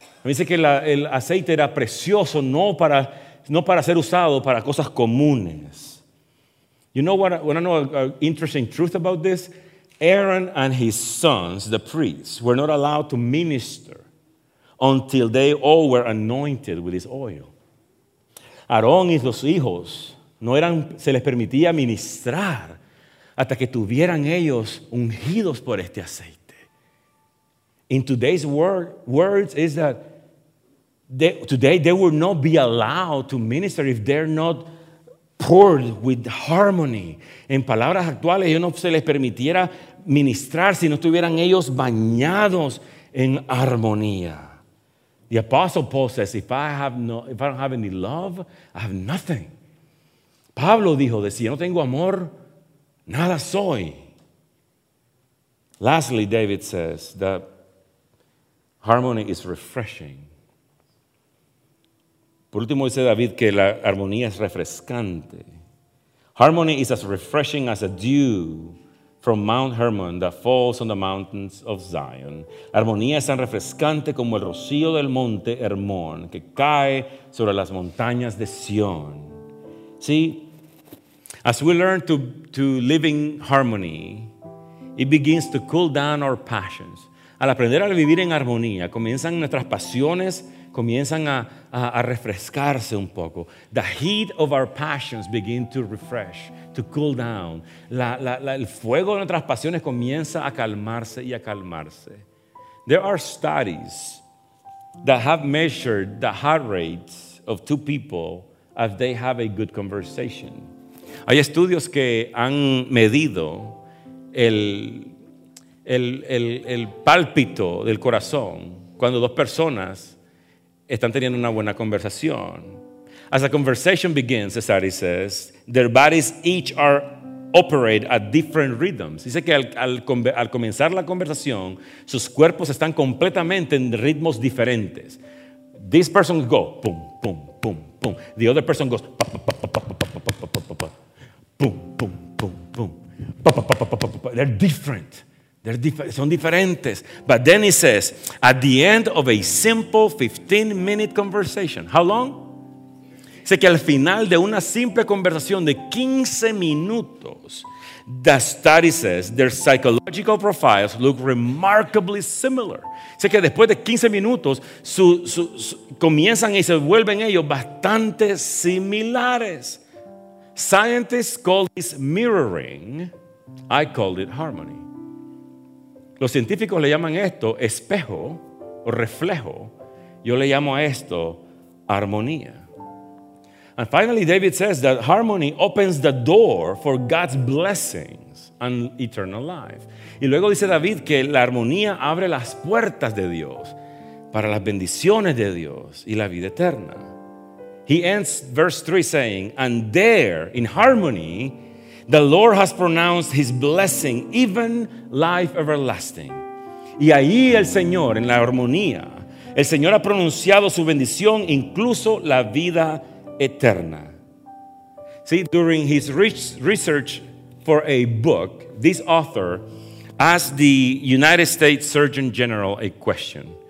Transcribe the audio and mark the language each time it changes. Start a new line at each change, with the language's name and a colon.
Spanish: Me dice que el aceite era precioso, no para ser usado para cosas comunes.
English: You know what? I know an interesting truth about this. Aaron and his sons, the priests, were not allowed to minister until they all were anointed with this oil.
Spanish: Aarón y sus hijos se les permitía ministrar hasta que tuvieran ellos ungidos por este aceite.
English: In today's words is that today they will not be allowed to minister if they're not poured with harmony.
Spanish: En palabras actuales, ellos no se les permitiera ministrar si no estuvieran ellos bañados en armonía.
English: The Apostle Paul says, if I don't have any love, I have nothing.
Spanish: Pablo dijo, si yo no tengo amor, nada soy.
English: Lastly, David says that harmony is refreshing.
Spanish: Por último dice David que la armonía es refrescante.
English: Harmony is as refreshing as a dew from Mount Hermon that falls on the mountains of Zion.
Spanish: Armonía es tan refrescante como el rocío del monte Hermón que cae sobre las montañas de Sion.
English: See, as we learn to live in harmony, it begins to cool down our passions.
Spanish: Al aprender a vivir en armonía, comienzan nuestras pasiones, comienzan a refrescarse un poco.
English: The heat of our passions begin to refresh, to cool down.
Spanish: El fuego de nuestras pasiones comienza a calmarse y a calmarse.
English: There are studies that have measured the heart rates of two people if they have a good conversation.
Spanish: Hay estudios que han medido el pálpito del corazón cuando dos personas están teniendo una buena conversación.
English: As the conversation begins, the study says, their bodies each are operate at different rhythms.
Spanish: Dice que al comenzar la conversación, sus cuerpos están completamente en ritmos diferentes.
English: This person goes pum, pum, pum, pum. The other person goes pa, pa, pa, pa, pa, pa, pa, pa, pa, pa, pa, pa, pum, pum, pum, pum. Pa, pa, pa, pa, pa, pa, pa, pa. They're different.
Spanish: Son diferentes.
English: But then he says, at the end of a simple 15-minute conversation. How long?
Spanish: Dice que al final de una simple conversación de 15 minutos,
English: the study says, their psychological profiles look remarkably similar.
Spanish: Dice que después de 15 minutos, comienzan y se vuelven ellos bastante similares.
English: Scientists call this mirroring. I call it harmony.
Spanish: Los científicos le llaman esto espejo o reflejo. Yo le llamo a esto armonía.
English: And finally, David says that harmony opens the door for God's blessings and eternal life.
Spanish: Y luego dice David que la armonía abre las puertas de Dios para las bendiciones de Dios y la vida eterna.
English: He ends verse 3 saying, and there, in harmony, the Lord has pronounced his blessing, even life everlasting.
Spanish: Y ahí el Señor, en la armonía, el Señor ha pronunciado su bendición, incluso la vida eterna.
English: See, during his research for a book, this author asked the United States Surgeon General a question.